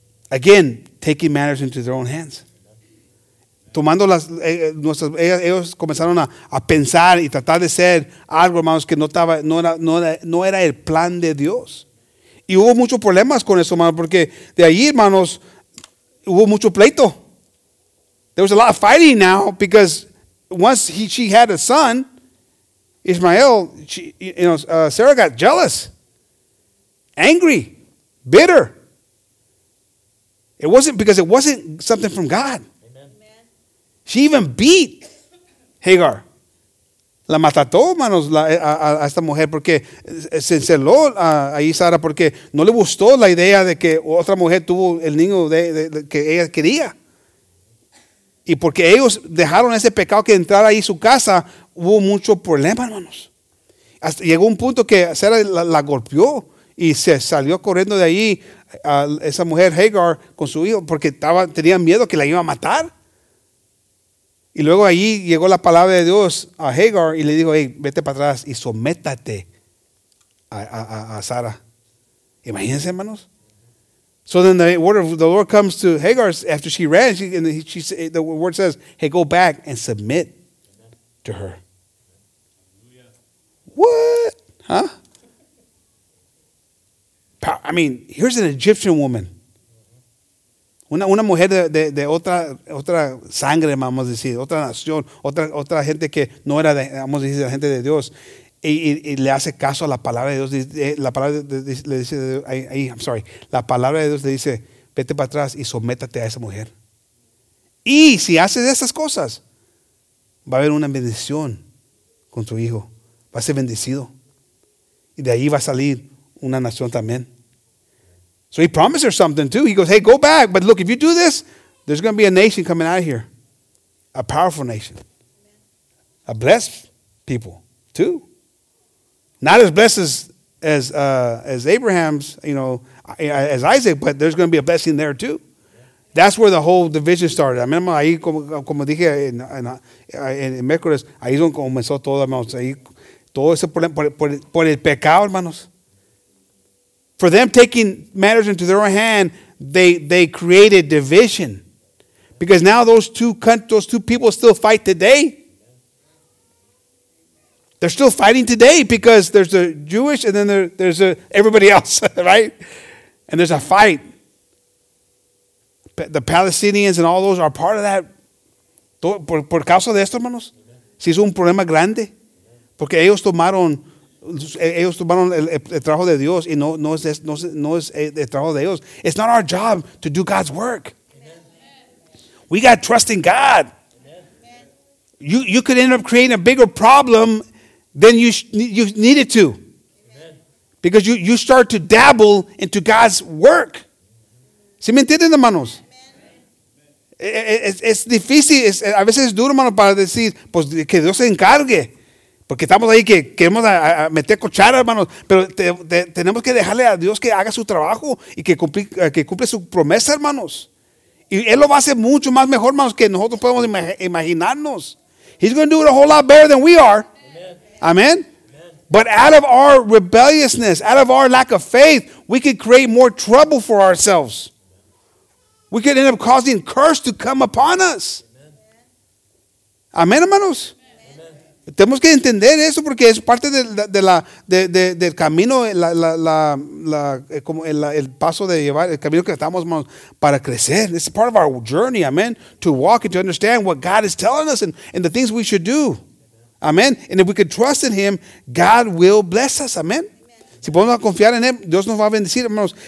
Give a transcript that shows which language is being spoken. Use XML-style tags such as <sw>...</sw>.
<en>Again, taking matters into their own hands.</en> <es>Tomando las, nuestras, ellos comenzaron a pensar y tratar de hacer algo, hermanos, que no era el plan de Dios. Y hubo muchos problemas con eso, hermanos, porque de ahí, hermanos, hubo mucho pleito.</es> <en>There was a lot of fighting now, because once she had a son, Ishmael, Sarah got jealous, angry, bitter. It wasn't something from God. Amen. She even beat Hagar.</en> <es>La mató, manos, a esta mujer, porque se celó ahí Sara, porque no le gustó la idea de que otra mujer tuvo el niño de que ella quería. Y porque ellos dejaron ese pecado que entrara ahí su casa, hubo mucho problema, hermanos. Hasta llegó un punto que Sara la golpeó y se salió corriendo de ahí a esa mujer Hagar con su hijo, porque tenía miedo que la iba a matar. Y luego allí llegó la palabra de Dios a Hagar y le dijo, hey, vete para atrás y sométate a Sara. Imagínense, hermanos.</es> <en>So then the word of the Lord comes to Hagar after she ran. The word says, hey, go back and submit to her. Hallelujah. What? Huh? I mean, here's an Egyptian woman.</en> <es>una mujer de otra sangre, vamos a decir, otra nación, otra gente que no era, vamos a decir, la gente de Dios, y le hace caso a la palabra de Dios, la palabra le dice, la palabra de Dios le dice, vete para atrás y sométate a esa mujer. Y si haces esas cosas, va a haber una bendición con tu hijo. Va a ser bendecido. Y de ahí va a salir una nación también.</es> <en>So he promised her something too. He goes, hey, go back. But look, if you do this, there's going to be a nation coming out of here. A powerful nation. A blessed people too. Not as blessed as Abraham's, you know, as Isaac, but there's going to be a blessing there too. That's where the whole division started. I remember</en> <es>ahí, como dije en miércoles, ahí es donde comenzó todo, hermanos. Ahí, todo ese problema por el pecado, hermanos.</es> <en>For them taking matters into their own hand, they created division. Because now those two people still fight today. They're still fighting today because there's the Jewish and then there's everybody else, right? And there's a fight. The Palestinians and all those are part of that.</en> <es>Por causa de esto, hermanos. Si es un problema grande. Porque ellos tomaron el trabajo de Dios y no es el trabajo de ellos.</es> <en>It's not our job to do God's work. Amen. We got trust in God. Amen. You could end up creating a bigger problem than you needed to. Amen. Because you start to dabble into God's work.</en> <es>¿Sí me entienden, hermanos? Es difícil, a veces es duro, hermano, para decir, pues que Dios se encargue. Porque estamos ahí que queremos a meter cochara, hermanos. Pero tenemos que dejarle a Dios que haga su trabajo y que cumpla su promesa, hermanos. Y Él lo va a hacer mucho más mejor, hermanos, que nosotros podemos imaginarnos.</es> <en>He's going to do it a whole lot better than we are. Amen. But out of our rebelliousness, out of our lack of faith, we could create more trouble for ourselves. We could end up causing curse to come upon us.</en> <es>Amén, hermanos. Amen. Tenemos que entender eso porque es parte del camino, el paso de llevar, el camino que estamos, hermanos, para crecer.</es> <en>It's part of our journey, amen, to walk and to understand what God is telling us and the things we should do. Amen. And if we could trust in Him, God will bless us. Amen.</en> <es>Si podemos confiar en Él, Dios nos va a bendecir, hermanos.</es>